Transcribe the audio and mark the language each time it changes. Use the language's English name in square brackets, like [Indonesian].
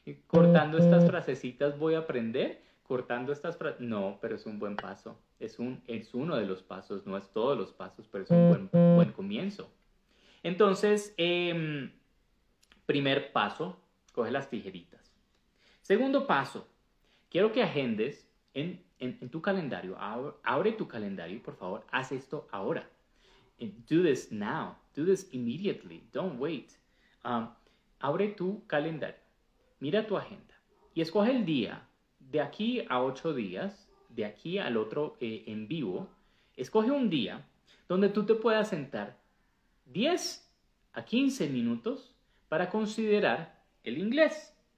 [Spanish] Cortando estas frasecitas voy a aprender. Cortando estas frases, no, pero es un buen paso, es uno de los pasos, no es todos los pasos, pero es un buen comienzo. Entonces, primer paso, coge las tijeritas. Segundo paso, quiero que agendes en tu calendario, abre tu calendario y por favor, haz esto ahora. [English] Do this now, do this immediately, don't wait. [Spanish] Abre tu calendario, mira tu agenda y escoge el día. De aquí a 8 días, de aquí al otro en vivo, escoge un día donde tú te puedas sentar 10 a 15 minutos para considerar el inglés.